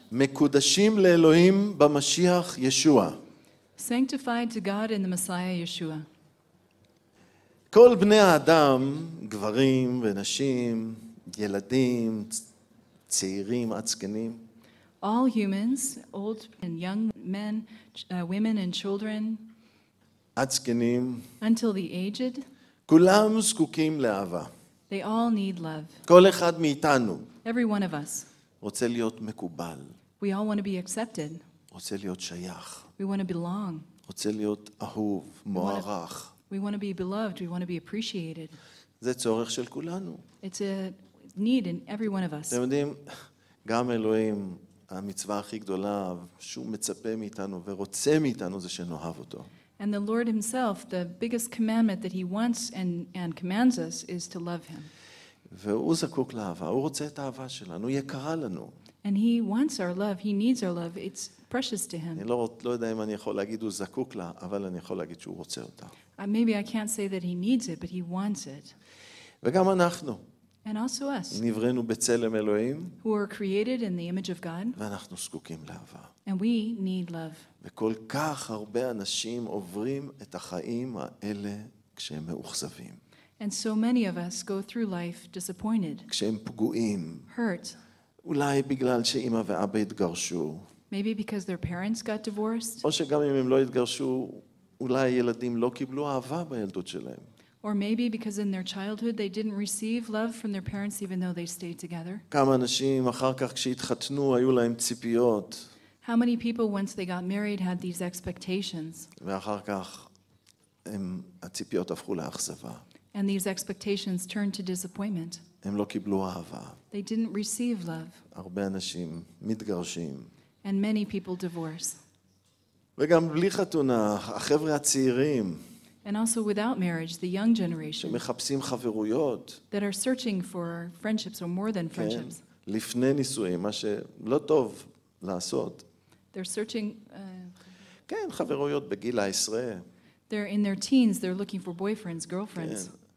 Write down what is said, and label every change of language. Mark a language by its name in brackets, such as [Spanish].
[Hebrew] מקודשים לאלוהים במשיח ישוע. [English] Sanctified to God in the Messiah Yeshua. [Hebrew] כל בני האדם, גברים ונשים, ילדים, צעירים, עצקנים, [English] all humans, old and young men, women and children, [Hebrew] עצקנים, [English] until the aged, [Hebrew] כולם זקוקים לאהבה. [English] They all need love. [Hebrew] כל אחד מאיתנו. [English] Every one of us. [Hebrew] רוצה להיות מקובל. [English] We all want to be accepted. [Hebrew] רוצה להיות שייך. [English] We want to belong. [Hebrew] רוצה להיות אהוב, מוערך. [English] We want to be beloved. We want to be appreciated. [Hebrew] זה צורך של כולנו. [English] It's a need in every one of us. [Hebrew] אתם יודעים, גם אלוהים, המצווה הכי גדולה, שהוא מצפה מאיתנו ורוצה מאיתנו זה שנאהב אותו. [English] And the Lord himself, the biggest commandment that he wants and commands us is to love him. [Hebrew] והוא זקוק לאהבה, הוא רוצה את האהבה שלנו, יקרה לנו. [English] And he wants our love, he needs our love, it's precious to him. [Hebrew] אני לא יודע אם אני יכול להגיד הוא זקוק לה, אבל אני יכול להגיד שהוא רוצה אותה. [English] Maybe I can't say that he needs it, but he wants it. [Hebrew] וגם אנחנו. [English] And also us. [Hebrew] נבראנו בצלם אלוהים. [English] Who are created in the image of God. [Hebrew] ואנחנו זקוקים לאהבה. [English] And we need love. [Hebrew] וכל כך הרבה אנשים עוברים את החיים האלה כשהם מאוכזבים. [English] And so many of us go through life disappointed. [Hebrew] כשהם פגועים. [English] Hurt. [Hebrew] אולי בגלל שאמא ואבא התגרשו. [English] Maybe because their parents got divorced. [Hebrew] או שגם אם הם לא התגרשו, אולי הילדים לא קיבלו אהבה בילדות שלהם. [English] Or maybe because in their childhood they didn't receive love from their parents even though they stayed together. [Hebrew] כמה אנשים אחר כך כשהתחתנו היו להם ציפיות. [English] How many people once they got married had these expectations? [Hebrew] ואחר כך הם הציפיות הפכו לאכזבה. [English] And these expectations turned to disappointment. [Hebrew] הם לא קיבלו אהבה. [English] They didn't receive love. [Hebrew] הרבה אנשים מתגרשים. [English] And many people divorce. [Hebrew] וגם בלי חתונה, החבר'ה הצעירים. [English] And also without marriage, the young generation. [Hebrew] שמחפשים חברויות. [English] That are searching for friendships or more than friendships. [Hebrew] לפני נישואים, מה שלא טוב לעשות. [English] They're searching [Hebrew] כן, חברויות בגיל העשרה. [English] They're in their teens, they're looking for boyfriends, girlfriends.